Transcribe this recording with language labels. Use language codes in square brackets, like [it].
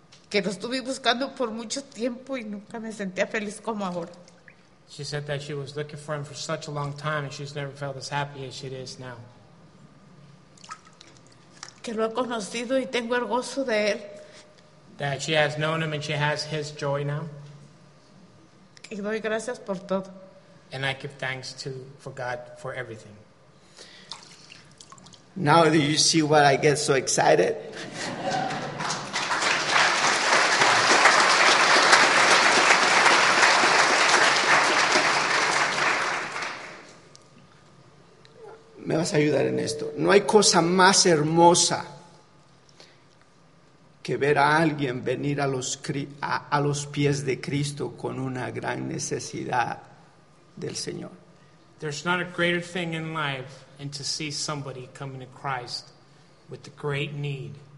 [es] Que lo estuve buscando por mucho tiempo y nunca me sentía feliz como ahora. [en] She said that she was looking for him for such a long time and she's never felt as happy as she is now. [es] Que lo he conocido y tengo el gozo de él. [en] That she has known him and she has his joy now. [es] Y doy gracias por todo. [en] And I give thanks to for God for everything. Now do you see why I get so excited? [es] Me vas a ayudar en esto. No hay cosa más hermosa que ver a alguien venir a los pies de Cristo con una gran necesidad del Señor. [en] There's not a greater thing in life than to see somebody coming to Christ with a great need.